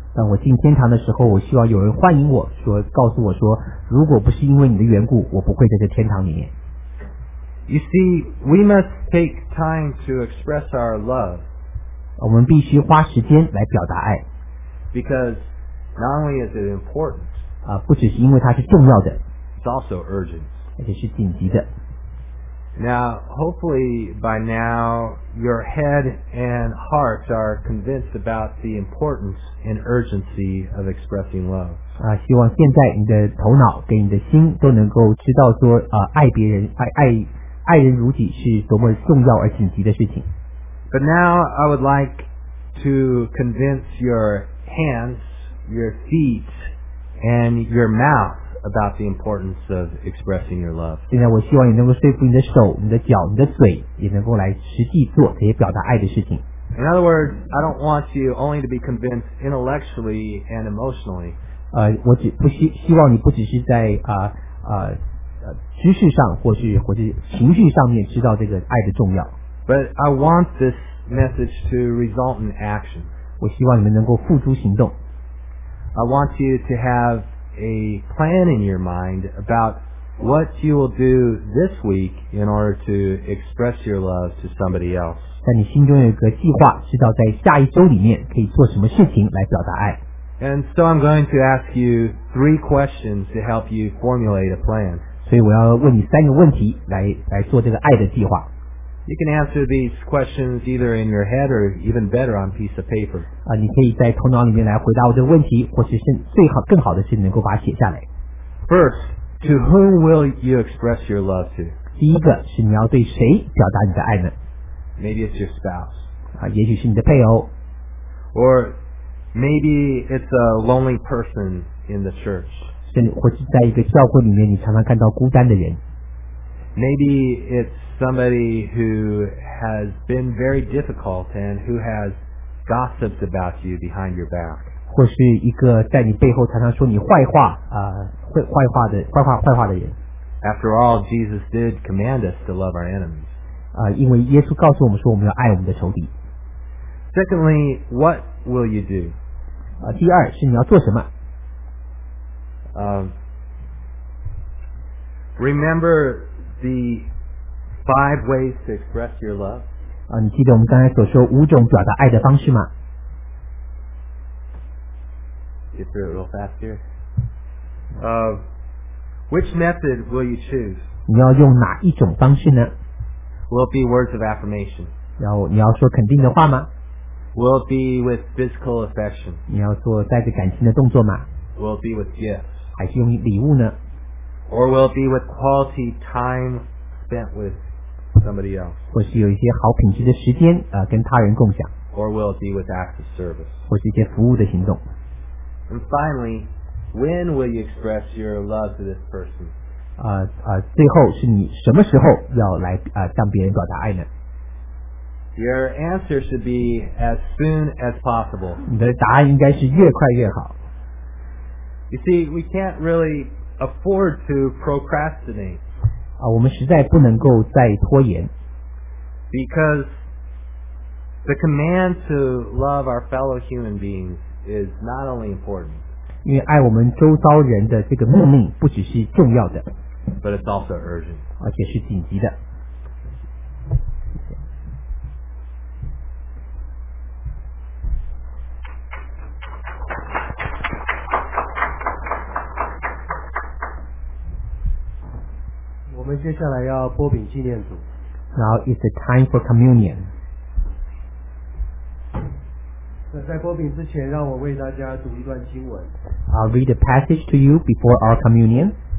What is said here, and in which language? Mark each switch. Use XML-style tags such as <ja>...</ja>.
<zh>当我进天堂的时候，我希望有人欢迎我，说告诉我说，如果不是因为你的缘故，我不会在这天堂里面。</zh> <en>You see, we must take time to express our love.</en> <zh>我们必须花时间来表达爱。</zh> <en>Because not only is it important,</en> <zh>不只是因为它是重要的,</zh> <en>it's also urgent.</en> <zh>而且是紧急的。</zh> <en>Now, hopefully by now, your head and heart are convinced about the importance and urgency of expressing love.</en> <zh>希望现在你的头脑跟你的心都能够知道说爱别人爱人如己是多么重要而紧急的事情。</zh> <en>But now, I would like to convince your hands,your feet and your mouth about the importance of expressing your love.</en> <zh>现在我希望你能够说服你的手、你的脚、你的嘴，也能够来实际做这些表达爱的事情。</zh> <en>In other words, I don't want you only to be convinced intellectually and emotionally.</en> <zh>我只不希望你不只是在知识上或是情绪上面知道这个爱的重要。</zh> <en>But I want this message to result in action.</en> <zh>我希望你们能够付诸行动。</zh> <en>I want you to have a plan in your mind about what you will do this week in order to express your love to somebody else.</en> <zh>在你心中有一个计划，知道在下一周里面可以做什么事情来表达爱。</zh> <en>And so I'm going to ask you three questions to help you formulate a plan.</en> <zh>所以我要问你三个问题来做这个爱的计划。</zh> <en>You can answer these questions either in your head or even better on a piece of paper.</en> <zh>你可以在头脑里面来回答我的问题，或是最好更好的是能够把它写下来。</zh> <en>First, to whom will you express your love to?</en> <zh>第一个是你要对谁表达你的爱呢？</zh> <en>Maybe it's your spouse.</en> <zh>也许是你的配偶。</zh> <en>Or maybe it's a lonely person in the church.</en> <zh>或是在一个教会里面你常常看到孤单的人。</zh> <en>Maybe it's somebody who has been very difficult and who has gossiped about you behind your back.</en> <zh>或是一个在你背后常常说你坏话坏话的人。</zh> <en>After all, Jesus did command us to love our enemies.</en> <zh>因为耶稣告诉我们说我们要爱我们的仇敌。</zh> <en>Secondly, what will you do?</en> <zh>第二是你要做什么？</zh> <en>Remember the five ways to express your love?</en> <zh>你记得我们刚才所说五种表达爱的方式吗？</zh> <en>Get through it real fast here. Which method will you choose?</en> <zh>你要用哪一种方式呢？</zh> <en>Will it be words of affirmation?</en> <zh>你要说肯定的话吗？</zh> <en>Will it be with physical affection?</en> <zh>你要做带着感情的动作吗？</zh> <en>Will it be with gifts?</en> <zh>还是用礼物呢？</zh> <en>Or will it be with quality time spent with somebody else?</en> <zh>或是有一些好品质的时间、跟他人共享。</zh> <en>Or will it be with acts of service?</en> <zh>或是一些服务的行动。</zh> <en>And finally,When will you express your love to this person?</en> <zh>最后是你什么时候要来、向别人表达爱呢？</zh> <en>Your answer should be as soon as possible.</en> <zh>你的答案应该是越快越好。</zh> <en>You see, we can't really afford to procrastinate.</en> <zh>我们实在不能够再拖延。</zh> <en>Because the command to love our fellow human beings is not only important.</en> <zh>因为爱我们周遭人的这个命令不只是重要的</zh> <en>But it's also urgent.</en> <zh>而且是紧急的我们接下来要擘饼纪念组</zh> <en>Now it's the time for communion.</en> <zh>在擘饼之前让我为大家读一段经文</zh> <en>I'll read a passage to you before our communion.</en>